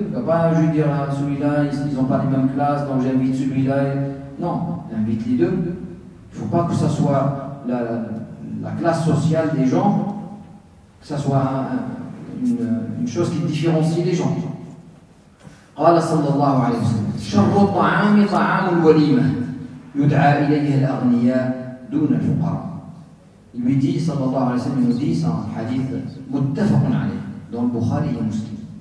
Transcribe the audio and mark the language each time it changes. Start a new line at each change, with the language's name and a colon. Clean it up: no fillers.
French: Tu vas pas juste dire à celui-là, ils n'ont pas les mêmes classes, donc j'invite celui-là. Non, invite les deux. Il ne faut pas que ça soit la classe sociale des gens, que ça soit une chose qui différencie les gens.
Arabic: قال صلى الله عليه وسلم شر الطعام طعام الوليمة يدعى إليه الأغنياء دون الفقراء.
French: Il lui dit, sallallahu alayhi wa sallam, il nous dit, c'est un hadith muttafaqun alayh, dans le Bukhari et Muslim.